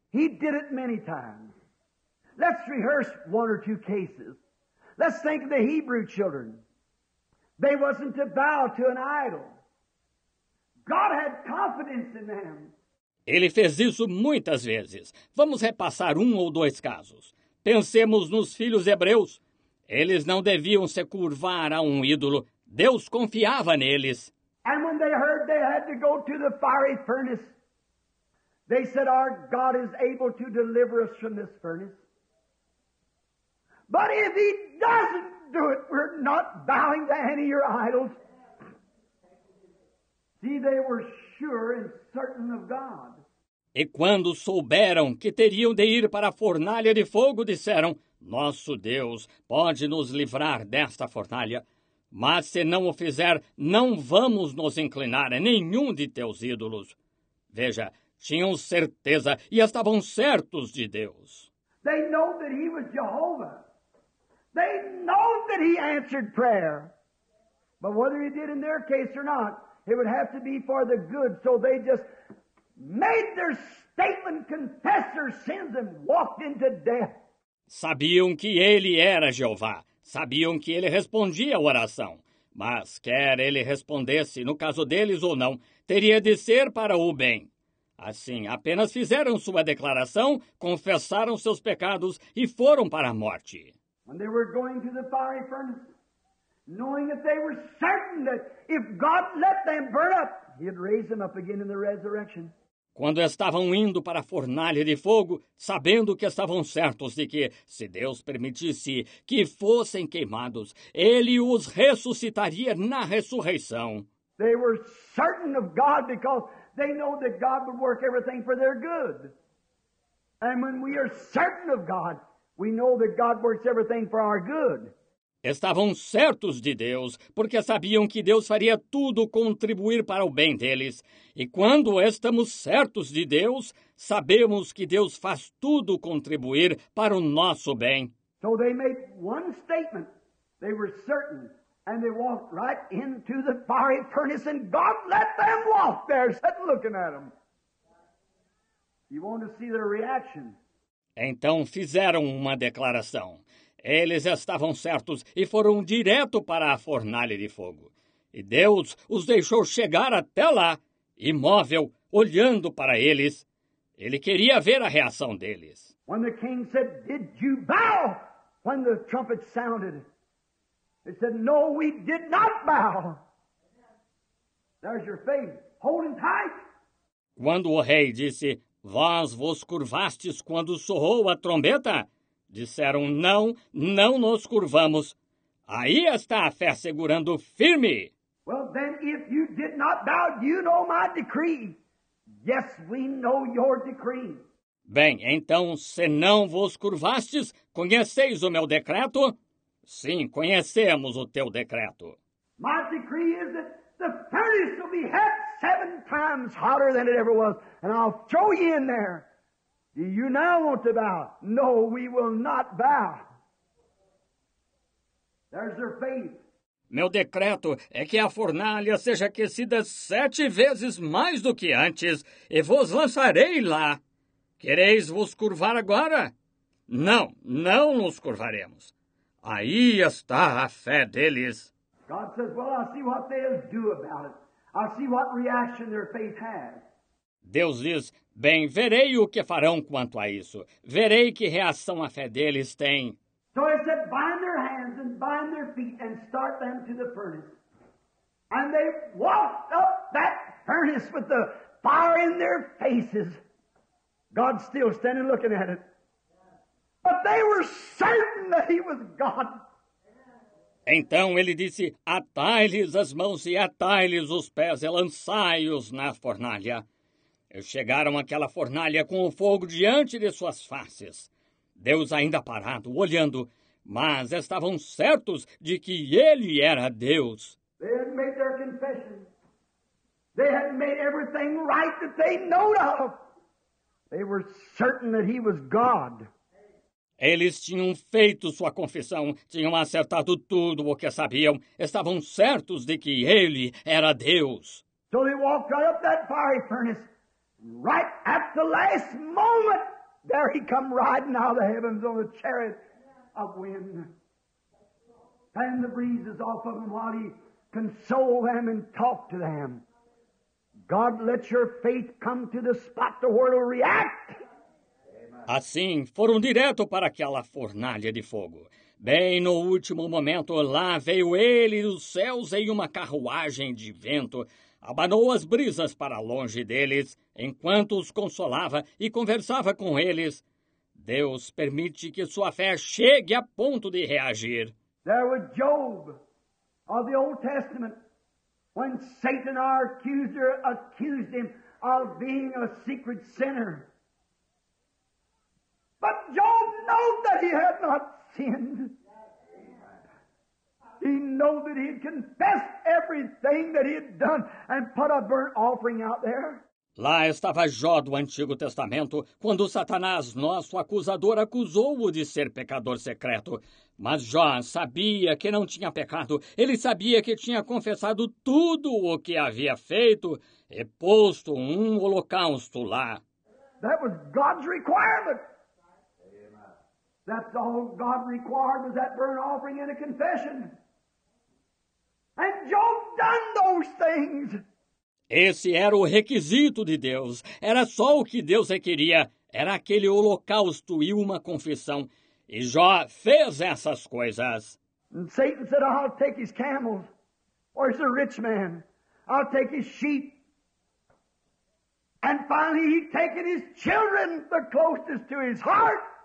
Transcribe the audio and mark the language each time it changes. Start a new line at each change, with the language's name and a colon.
English: He did it many times. Let's rehearse one or two cases. Let's think of the Hebrew children. They wasn't to bow to an idol. God had confidence in them.
Portuguese: Ele fez isso muitas vezes. Vamos repassar um ou dois casos. Pensemos nos filhos hebreus. Eles não deviam se curvar a um ídolo. Deus confiava neles.
English: And when they heard they had to go to the fiery furnace, they said, our God is able to deliver us from this furnace. But if he doesn't do it, we're not bowing to any of your idols. See, they were sure and certain of God.
Portuguese: E quando souberam que teriam de ir para a fornalha de fogo, disseram, nosso Deus pode nos livrar desta fornalha. Mas se não o fizer, não vamos nos inclinar a nenhum de teus ídolos. Veja, tinham certeza e estavam certos de Deus.
English: They know that he was Jehovah. They know that he answered prayer. But whether he did in their case or not, it would have to be for the good. So they just made their statement, confessed their sins and walked into death.
Portuguese: Sabiam que ele era Jeová. Sabiam que ele respondia a oração, mas quer ele respondesse no caso deles ou não, teria de ser para o bem. Assim, apenas fizeram sua declaração, confessaram seus pecados e foram para a morte.
English: And they were going to the fiery furnace, knowing that they were certain that if God let them burn up, he'd raise them up again in the resurrection.
Portuguese: Quando estavam indo para a fornalha de fogo, sabendo que estavam certos de que, se Deus permitisse que fossem queimados, ele os ressuscitaria na ressurreição.
English: They were certain of God because they know that God would work everything for their good. And when we are certain of God, we know that God works everything for our good.
Portuguese: Estavam certos de Deus, porque sabiam que Deus faria tudo contribuir para o bem deles. E quando estamos certos de Deus, sabemos que Deus faz tudo contribuir para o nosso bem.
English: So they made one statement. They were certain. And they walked right into the fiery furnace, and God let them walk there, sitting looking at them. You want to see their reaction?
Portuguese: Então fizeram uma declaração. Eles estavam certos e foram direto para a fornalha de fogo. E Deus os deixou chegar até lá, imóvel, olhando para eles. Ele queria ver a reação deles.
English: When the king said, "Did you bow?" When the trumpet sounded, they said, "No, we did not bow." There's your faith. Hold it tight.
Portuguese: Quando o rei disse, "Vós vos curvastes quando soou a trombeta?" Disseram, "Não, não nos curvamos." Aí está a fé segurando firme.
English: Well, then, if you did not bow, you know my decree. Yes, we know your decree.
Portuguese: Bem, então, se não vos curvastes, conheceis o meu decreto? Sim, conhecemos o teu decreto.
English: My decree is that the furnace will be hot 7 times hotter than it ever was, and I'll throw you in there. Do you now want to bow? No, we will not bow. There's your faith.
Portuguese: Meu decreto é que a fornalha seja aquecida 7 vezes mais do que antes, e vos lançarei lá. Quereis vos curvar agora? Não, não nos curvaremos. Aí está a fé deles.
English: God says, well, I'll see what they'll do about it. I'll see what reaction their faith has.
Portuguese: Deus diz, bem, verei o que farão quanto a isso. Verei que reação a fé deles tem.
English: So he said, bind their hands and bind their feet and start them to the furnace. And they walked up that furnace with the fire in their faces. God still standing looking at it. But they were certain that he was God.
Portuguese: Então ele disse, atai-lhes as mãos e atai-lhes os pés e lançai-os na fornalha. Chegaram àquela fornalha com o fogo diante de suas faces. Deus ainda parado, olhando, mas estavam certos de que ele era Deus.
English: They had made their confession. They had made everything right that they knew of. They were certain that he was God.
Portuguese: Eles tinham feito sua confissão, tinham acertado tudo o que sabiam, estavam certos de que ele era Deus.
English: So they walked right up that fiery furnace. Right at the last moment, there he come riding out of the heavens on a chariot of wind. Fanned the breezes off of him while he consoled them and talked to them. God, let your faith come to the spot to where it'll react.
Portuguese: Assim, foram direto para aquela fornalha de fogo. Bem no último momento, lá veio ele dos céus em uma carruagem de vento. Abanou as brisas para longe deles, enquanto os consolava e conversava com eles. Deus permite que sua fé chegue a ponto de reagir.
English: There was Job of the Old Testament when Satan, our accuser, accused him of being a secret sinner. But Job knew that he had not sinned. He knew that he had confessed everything that he had done and put a burnt offering out there.
Portuguese: Lá estava Jó do Antigo Testamento, quando Satanás, nosso acusador, acusou-o de ser pecador secreto. Mas Jó sabia que não tinha pecado. Ele sabia que tinha confessado tudo o que havia feito e posto um holocausto lá.
English: That was God's requirement. That's all God required was that burnt offering and a confession. And Job done those things.
Portuguese: Esse era o requisito de Deus. Era só o que Deus requeria. Era aquele holocausto e uma confissão. E Jó fez essas coisas.
English: And Satan said, I'll take his camels. Where's the rich man? I'll take his sheep. And finally he'd taken his children, the closest to his heart.